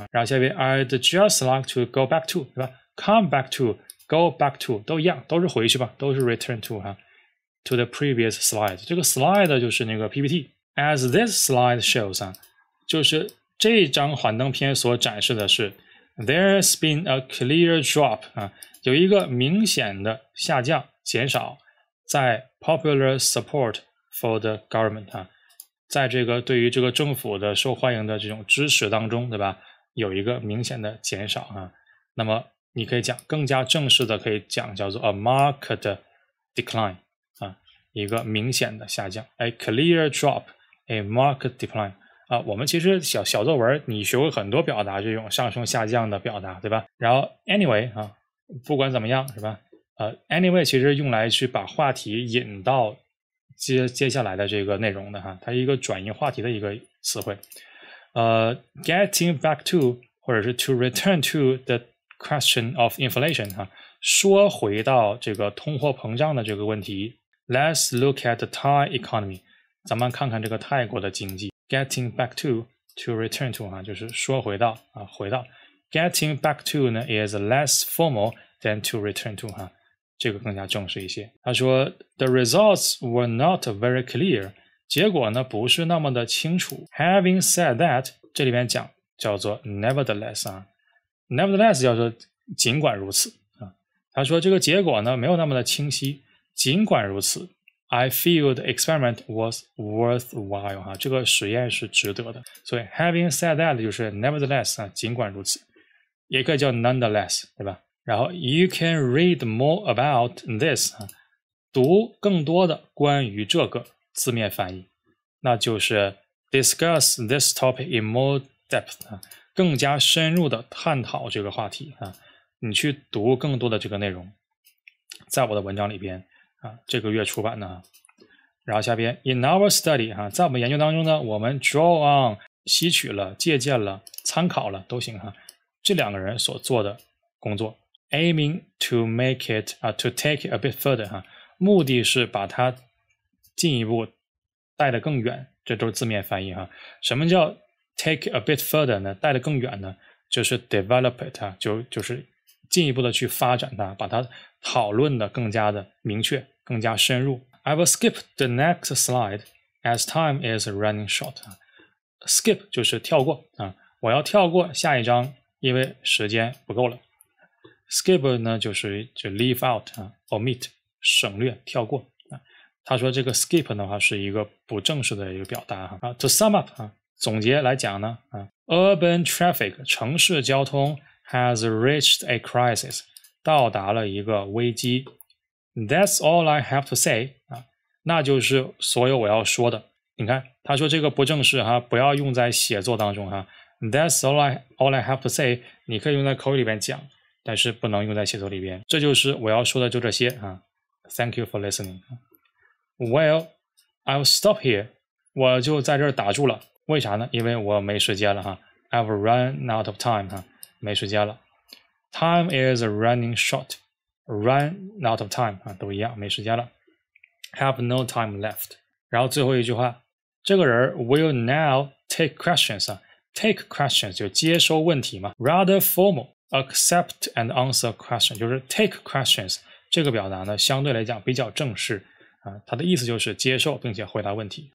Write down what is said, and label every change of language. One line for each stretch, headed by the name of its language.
Chinese: 然后下边
English: I'd just like to go back to，
Chinese: 对吧？ Come back to， go back to 都一样，都是回去吧，都是 return to，
English: to the previous slide，
Chinese: 这个 slide 就是那个 PPT。 As this slide shows 啊，就是这张幻灯片所展示的是 ，
English: there's been a clear drop
Chinese: 啊，有一个明显的下降、减少，在
English: popular support for the government
Chinese: 啊，在这个对于这个政府的受欢迎的这种支持当中，对吧？有一个明显的减少啊。那么你可以讲更加正式的，可以讲叫做
English: a marked decline。
Chinese: 一个明显的下降 ，
English: a clear drop， a marked decline。
Chinese: 啊，我们其实小作文你学过很多表达，这种上升下降的表达，对吧？然后 anyway 啊，不管怎么样是吧？anyway 其实用来去把话题引到接下来的这个内容的哈，它一个转移话题的一个词汇。 getting back to 或者是
English: to return to the question of inflation
Chinese: 哈、说回到这个通货膨胀的这个问题。
English: Let's look at the Thai economy.
Chinese: 咱们看看这个泰国的经济。 Getting back to return to 啊，就是说回到啊，回到。
English: Getting back to 呢 is less formal than to return to 哈、
Chinese: 这个更加正式一些。
English: 他说 ，The results were not very clear.
Chinese: 结果呢不是那么的清楚。
English: Having said that，
Chinese: 这里边讲叫做 nevertheless 啊 ，nevertheless 叫做尽管如此啊。他说这个结果呢没有那么的清晰。尽管如此 ，
English: I feel the experiment was worthwhile
Chinese: 哈，这个实验是值得的。所以 ，having said that 就是 nevertheless 啊，尽管如此，也可以叫 nonetheless 对吧？然后 ，
English: you can read more about this
Chinese: 啊，读更多的关于这个字面翻译，那就是
English: discuss this topic in more depth
Chinese: 啊，更加深入的探讨这个话题啊，你去读更多的这个内容，在我的文章里边。啊，这个月出版的哈，然后下边
English: in our study
Chinese: 哈、在我们研究当中呢，我们 draw on 吸取了、借鉴了、参考了都行哈。这两个人所做的工作
English: ，aiming to make it to take it a bit further 哈、
Chinese: 目的是把它进一步带得更远，这都是字面翻译哈。什么叫 take a bit further 呢？带得更远呢，就是 develop it 啊，就是进一步的去发展它，把它讨论的更加的明确，更加深入。
English: I will skip the next slide as time is running short.
Chinese: Skip 就是跳过啊，我要跳过下一章，因为时间不够了。 Skip 呢就 leave out 啊 ，omit 省略跳过啊。他说这个 skip 的话是一个不正式的一个表达哈啊。
English: To sum up 啊，
Chinese: 总结来讲呢啊
English: ，urban traffic 城市交通 has reached a crisis
Chinese: 到达了一个危机。
English: That's all I have to say 啊，
Chinese: 那就是所有我要说的。你看他说这个不正式哈，不要用在写作当中哈。
English: That's all I have to say
Chinese: 你可以用在口语里边讲。但是不能用在写作里边，这就是我要说的，就这些啊。
English: Thank you for listening. Well, I'll stop here.
Chinese: 我就在这儿打住了。为啥呢？因为我没时间了哈。
English: I've run out of time 哈，没时间了。 Time is running short. Run out of time 啊，
Chinese: 都一样，没时间了。
English: Have no time left.
Chinese: 然后最后一句话，这个人
English: will now take questions
Chinese: 啊 ，take questions 就接收问题嘛 ，
English: rather formal. Accept and answer question
Chinese: 就是 take questions 这个表达呢相对来讲比较正式啊，它的意思就是接受并且回答问题。